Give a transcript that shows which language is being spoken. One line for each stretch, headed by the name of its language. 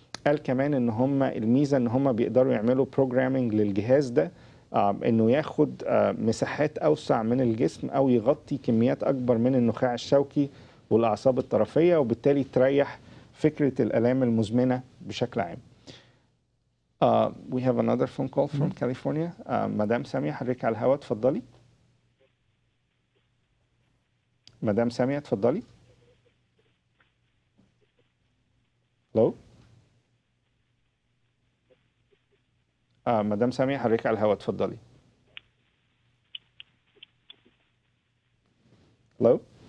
Arabic: قال كمان ان هم الميزه ان هم بيقدروا يعملوا بروجرامنج للجهاز ده انه ياخد مساحات اوسع من الجسم او يغطي كميات اكبر من النخاع الشوكي والاعصاب الطرفيه وبالتالي تريح فكره الالام المزمنه بشكل عام.
English: We have another phone call from California.
Arabic: مدام ساميه حضرتك على الهواء اتفضلي. مدام ساميه اتفضلي. الو مدام ساميه حضرتك على الهواء اتفضلي الو